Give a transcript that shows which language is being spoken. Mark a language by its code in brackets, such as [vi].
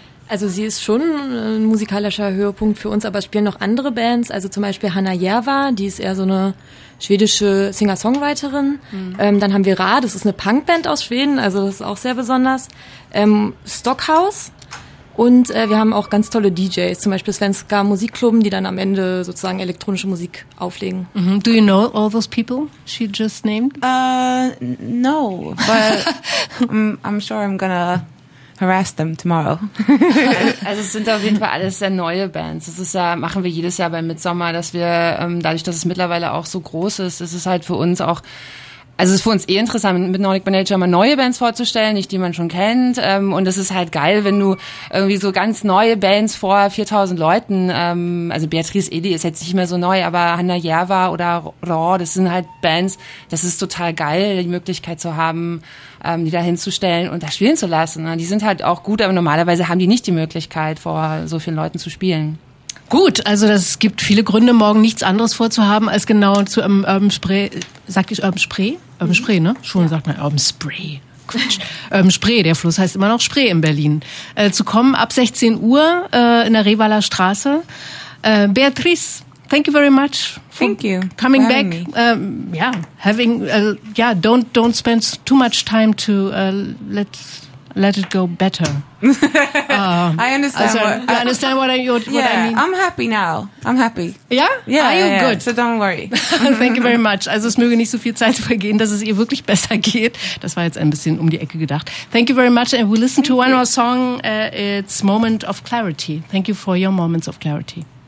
[de] Also sie ist schon ein musikalischer Höhepunkt für uns, aber spielen noch andere Bands, also zum Beispiel Hanna Järva, die ist eher so eine schwedische Singer-Songwriterin. Mhm. Dann haben wir Ra, das ist eine Punkband aus Schweden, also das ist auch sehr besonders. Stockhaus. Und wir haben auch ganz tolle DJs, zum Beispiel Svenska Musikklubben, die dann am Ende sozusagen elektronische Musik auflegen. Mm-hmm. [en] Do you know all those people she just named? No, but I'm sure I'm gonna harass them tomorrow. [de] Also es sind auf jeden Fall alles sehr neue Bands. Das ist ja, machen wir jedes Jahr bei Midsommar, dass wir, dadurch, dass es mittlerweile auch so groß ist, ist es halt für uns auch, also es ist für uns eh interessant, mit Nordic by Nature mal neue Bands vorzustellen, nicht die man schon kennt. Und es ist halt geil, wenn du irgendwie so ganz neue Bands vor 4000 Leuten, also Beatrice Eli ist jetzt nicht mehr so neu, aber Hanna Järva oder Raw, das sind halt Bands, das ist total geil, die Möglichkeit zu haben, die da hinzustellen und da spielen zu lassen. Die sind halt auch gut, aber normalerweise haben die nicht die Möglichkeit, vor so vielen Leuten zu spielen. Gut, also das gibt viele Gründe, morgen nichts anderes vorzuhaben, als genau zu Urban Spray, sagt ich Urban Spray? Urban Spray, ne? Schon ja. Sagt man Urban Spray. Quatsch. Urban Spray, der Fluss heißt immer noch Spray in Berlin. Zu kommen ab 16 Uhr in der Revaler Straße. [en] Beatrice, thank you very much. Thank you. Coming back. Don't spend too much time to let it go better. I understand what I mean. I'm happy now. I'm happy. Yeah? Yeah. Are you good? So don't worry. Thank you very much. [de] Also es möge nicht so viel Zeit vergehen, dass es ihr wirklich besser geht. Das war jetzt ein bisschen um die Ecke gedacht. [en] Thank you very much. And we listen to one more song. It's Moment of Clarity. Thank you for your Moments of Clarity.